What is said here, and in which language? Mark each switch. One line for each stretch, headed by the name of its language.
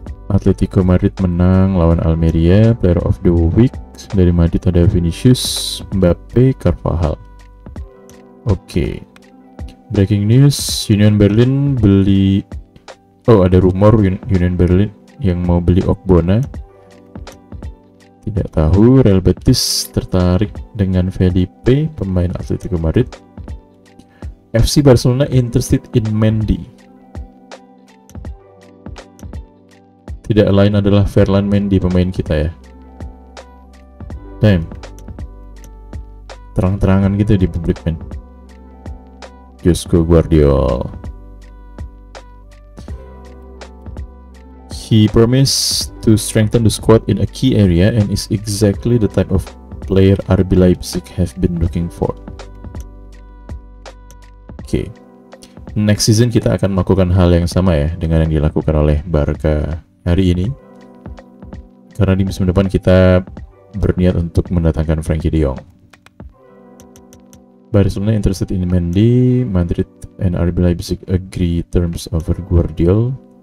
Indonesian: Atletico Madrid menang lawan Almeria.
English: Player of the week
Indonesian: dari Madrid ada Vinicius, Mbappe, Carvajal. Oke. Breaking news, Union Berlin beli... Oh, ada rumor Union Berlin yang mau beli Ogbonna. Tidak tahu, Real Betis tertarik dengan Felipe, pemain Atletico Madrid.
English: FC Barcelona interested in Mendy.
Indonesian: Tidak lain adalah Ferland Mendy, pemain kita ya. Damn. Terang-terangan gitu di publik, men. Joško, Gvardiol.
English: He promised to strengthen the squad in a key area and is exactly the type of player RB Leipzig have been looking for. Okay.
Indonesian: Next season kita akan melakukan hal yang sama ya dengan yang dilakukan oleh Barca hari ini. Karena di musim depan kita berniat untuk mendatangkan Frenkie de Jong.
English: Barcelona interested in Mendy, Madrid and RB Leipzig agree terms over Gvardiol.